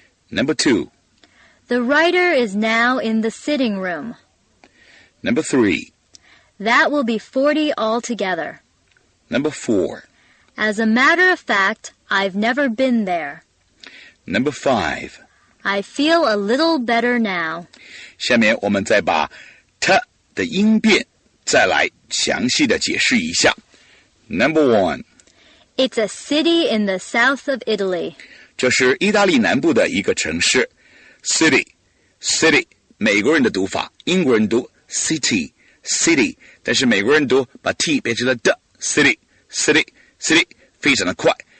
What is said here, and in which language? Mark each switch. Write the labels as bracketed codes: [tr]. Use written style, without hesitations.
[en] Number 2. The writer is now in the sitting room. Number 3. That will be 40 altogether. Number 4. As a matter of fact, I've never been there. Number 5. I feel a little better now. [zh] 下面我们再把 T 的音变再来详细的解释一下。 [en] Number 1. It's a city in the south of Italy. [zh] 这是意大利南部的一个城市 City 美国人的读法，英国人读 City 但是美国人读把 T 变成了 D City 非常的快。